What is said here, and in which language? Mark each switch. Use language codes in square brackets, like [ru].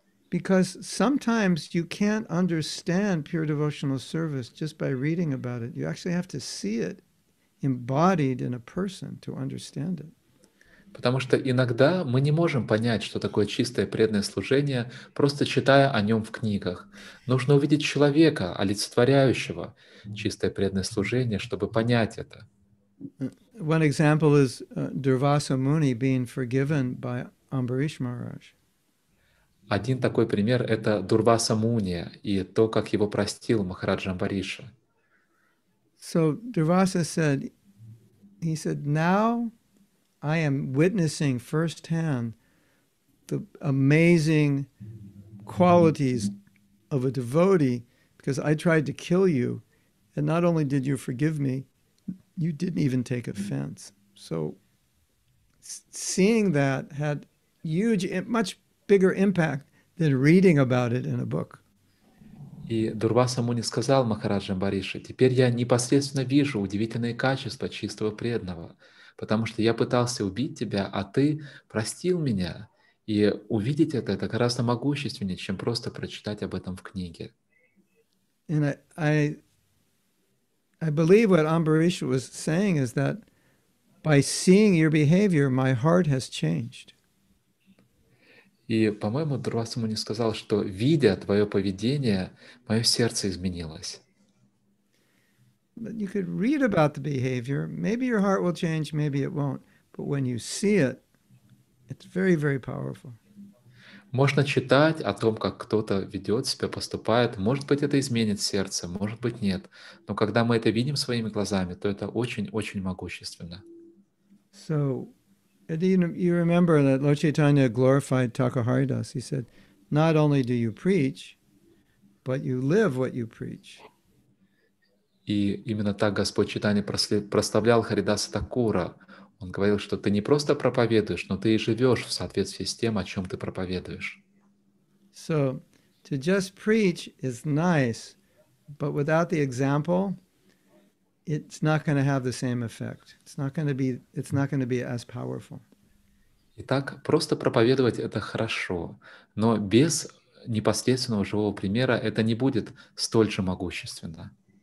[en] Because sometimes you can't understand pure devotional service just by reading about it. You actually have to see it embodied in a person to understand it. [ru] Потому что иногда мы не можем понять, что такое чистое преданное служение, просто читая о нем в книгах. Нужно увидеть человека, олицетворяющего чистое преданное служение, чтобы понять это. [en] One example is Durvasa Muni being forgiven by Ambarish Maharaj. [ru] Один такой пример — это Дурваса Муния и то, как его простил Махараджа Амбариша. [en] So Durvasa said, he said, now I am witnessing firsthand the amazing qualities of a devotee because I tried to kill you and not only did you forgive me, you didn't even take offense. So seeing that had much bigger impact than reading about it in a book. [ru] И Дурваса Муни сказал Махараджа Амбариша: «Теперь я непосредственно вижу удивительные качества чистого преданного, потому что я пытался убить тебя, а ты простил меня. И увидеть это гораздо могущественнее, чем просто прочитать об этом в книге». [en] And I believe what Ambarish was saying is that by seeing your behavior, my heart has changed. [ru] И, по-моему, Дурвас ему не сказал, что, видя твое поведение, мое сердце изменилось. Можно читать о том, как кто-то ведет себя, поступает. Может быть, это изменит сердце, может быть, нет. Но когда мы это видим своими глазами, то это очень-очень могущественно. [en] So... You remember that Lord Chaitanya glorified Takahari Das. He said, not only do you preach, but you live what you preach. [ru] И именно так Господь Чайтанья прославлял Харидаса Такура. Он говорил, что ты не просто проповедуешь, но ты и живешь в соответствии с тем, о чем ты проповедуешь. [en] So, to just preach is nice, but without the example, it's not going to have the same effect. It's not going to be as powerful. [ru] Итак, просто проповедовать это хорошо, но без непосредственного живого примера это не будет столь же могущественно.